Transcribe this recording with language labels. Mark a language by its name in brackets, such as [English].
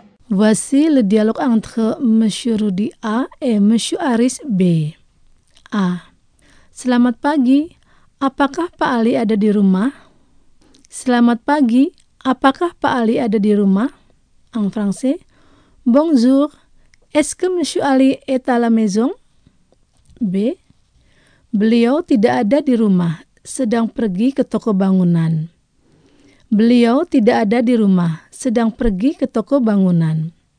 [French] Voici le dialogue entre Monsieur Rudy A et Monsieur Aris B. [Indonesian] A. Selamat pagi. Apakah Pak Ali ada di rumah? Selamat pagi. Apakah Pak Ali ada di rumah? [French] En français. Bonjour. Est-ce que Monsieur Ali est à la maison? [Indonesian] B. Beliau tidak ada di rumah. Sedang pergi ke toko bangunan. Beliau tidak ada di rumah. Sedang pergi ke toko bangunan.